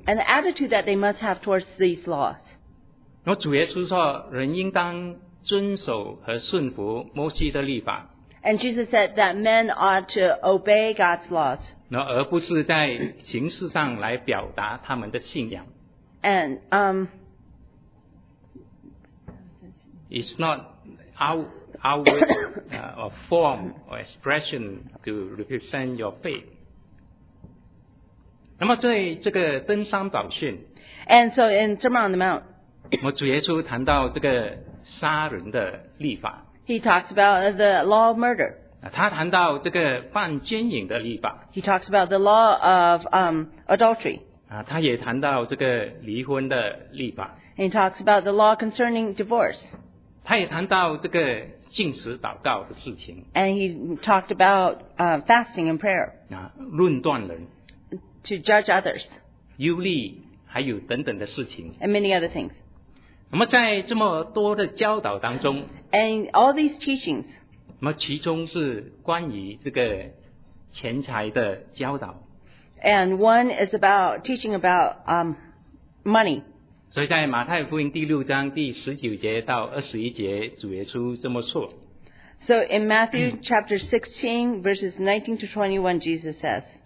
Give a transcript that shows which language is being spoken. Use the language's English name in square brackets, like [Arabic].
[English] and the attitude that they must have towards these laws. [Chinese] 主耶稣说人应当遵守和顺服摩西的律法， [English] and Jesus said that men ought to obey God's laws, [Chinese] 而不是在形式上来表达他们的信仰。 [English] And it's not outward or form or expression to represent your faith. [Chinese] 那么在这个登山宝训， [English] and so in Sermon on the Mount, [Chinese] 主耶稣谈到这个杀人的律法， [English] he talks about the law of murder. [Chinese] 他谈到这个犯奸淫的律法， [English] he talks about the law of adultery. [Chinese] 他也谈到这个离婚的律法， [English] and he talks about the law concerning divorce. [Chinese] 他也谈到这个禁食祷告的事情， [English] and he talked about fasting and prayer. [Chinese] 论断人， [English] to judge others, [Chinese] 忧虑， 还有等等的事情， [English] and many other things. [Chinese] 那么在这么多的教导当中， [English] and all these teachings, [Chinese] 那么其中是关于这个钱财的教导， [English] and one is about teaching about money. [Chinese] 所以在马太福音第6章第19节到21节， 主耶稣这么说， [English] so in Matthew 16:19-21, Jesus says,